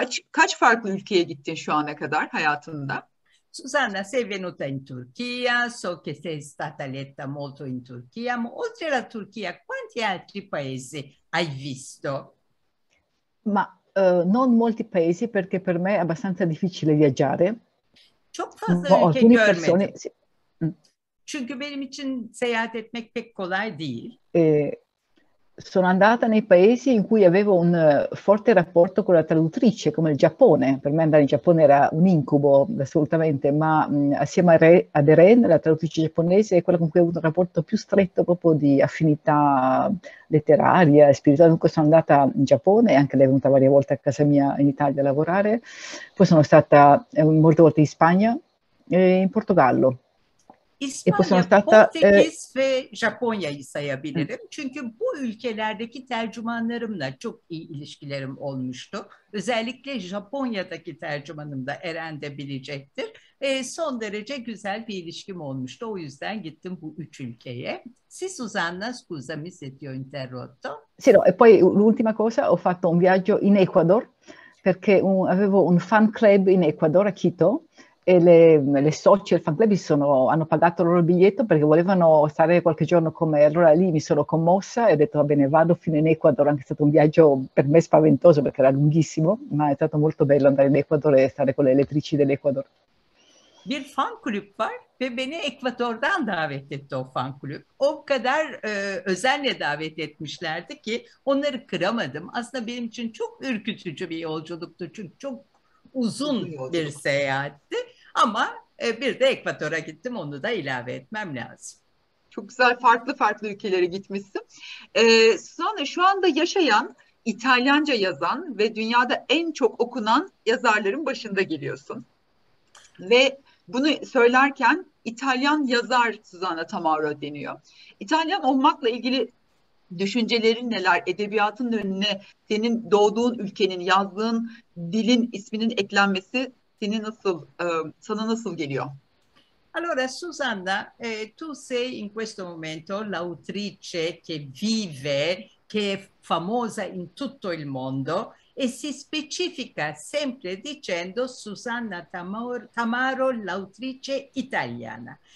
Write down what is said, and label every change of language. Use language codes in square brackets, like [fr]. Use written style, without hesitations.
[tr] Kaç farklı ülkeye gittin şu ana kadar hayatında? [it] Susanna, sei venuta in Turchia, so che sei stata letta molto in Turchia, ma oltre la Turchia, quanti altri paesi hai visto? Ma non molti paesi, perché per me è abbastanza difficile viaggiare. Alcune persone. Sì. [tr] Çünkü benim için seyahat etmek pek kolay değil. [it] Sono andata nei paesi in cui avevo un forte rapporto con la traduttrice, come il Giappone. Per me andare in Giappone era un incubo, assolutamente. Ma assieme ad Eren, la traduttrice giapponese, è quella con cui ho avuto un rapporto più stretto proprio di affinità letteraria, spirituale. Dunque sono andata in Giappone, anche lei è venuta varie volte a casa mia in Italia a lavorare. Poi sono stata molte volte in Spagna e in Portogallo. [tr] İspanya, Portekiz ve Japonya'yı sayabilirim. Çünkü bu ülkelerdeki tercümanlarımla çok iyi ilişkilerim olmuştu. Özellikle Japonya'daki tercümanım da Eren de bilecektir. Son derece güzel bir ilişkim olmuştu. O yüzden gittim bu üç ülkeye. [it] Si, Susanna, scusa, mi senti ho interrotto. Sì, no, e poi l'ultima cosa, ho fatto un viaggio in Ecuador, perché avevo un fan club in Ecuador, a Quito. E le socie del fan club hanno pagato il loro biglietto perché volevano stare qualche giorno con me. Allora lì mi sono commossa e ho detto va bene, vado fino in Ecuador. Anche è stato un viaggio per me spaventoso perché era lunghissimo, ma è stato molto bello andare in Ecuador e stare con le elettrici dell'Ecuador. [tr] Bir fan club var ve beni Ekvador'dan davet etti o fan club. O kadar özenle davet etmişlerdi ki onları kıramadım. Aslında benim için çok ürkütücü bir yolculuktu çünkü çok uzun bir seyahatti ama bir de Ekvador'a gittim, onu da ilave etmem lazım. Çok güzel, farklı farklı ülkelere gitmişsin. Susanna, şu anda yaşayan, İtalyanca yazan ve dünyada en çok okunan yazarların başında geliyorsun. Ve bunu söylerken İtalyan yazar Susanna Tamaro deniyor. İtalyan olmakla ilgili düşüncelerin neler? Edebiyatın önüne senin doğduğun ülkenin, yazdığın dilin isminin eklenmesi sana nasıl geliyor? [it] Allora, Susanna, tu sei in questo momento l'autrice che vive, che è famosa in tutto il mondo e si specifica sempre dicendo Susanna Tamaro, l'autrice italiana.